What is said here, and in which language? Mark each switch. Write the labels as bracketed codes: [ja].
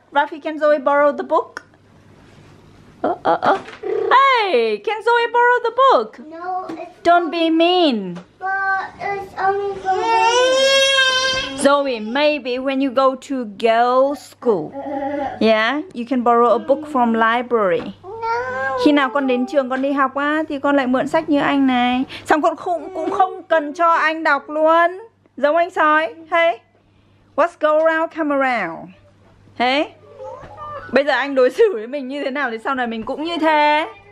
[en] Rafi, can Zoe borrow the book? Hey, can Zoe borrow the book? No. It's don't only, be mean. But it's only for me. Zoe, maybe when you go to girls' school, yeah, you can borrow a book from library. [vi] Khi nào con đến trường con đi học á, thì con lại mượn sách như anh này. Xong con cũng không cần cho anh đọc luôn. Giống anh sói. [en] Hey, what's go around come around. [vi] Hey, bây giờ anh đối xử với mình như thế nào thì sau này mình cũng như thế.